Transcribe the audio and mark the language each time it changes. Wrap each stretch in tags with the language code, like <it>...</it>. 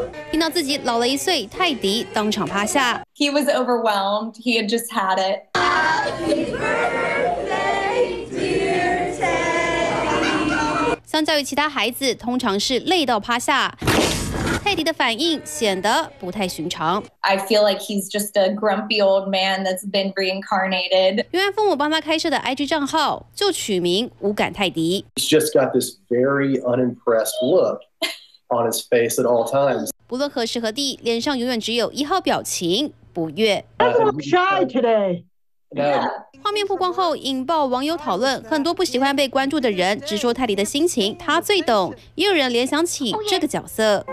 <zh>听到自己老了一岁，泰迪当场趴下。</zh> <en>He was overwhelmed. He had just had it. Happy birthday, dear Teddy.</en> <zh>相较于其他孩子，通常是累到趴下。泰迪的反应显得不太寻常。</zh> <en>I feel like he's just a grumpy old man that's been reincarnated.</en> <zh>原来父母帮他开设的 IG 账号就取名“无感泰迪”。</zh> <en>He's just got this very unimpressed look on his face at all times.</en> <zh>不论何时何地，脸上永远只有一号表情，不悦。画面曝光后引爆网友讨论，很多不喜欢被关注的人直说泰迪的心情他最懂，也有人联想起这个角色。</zh>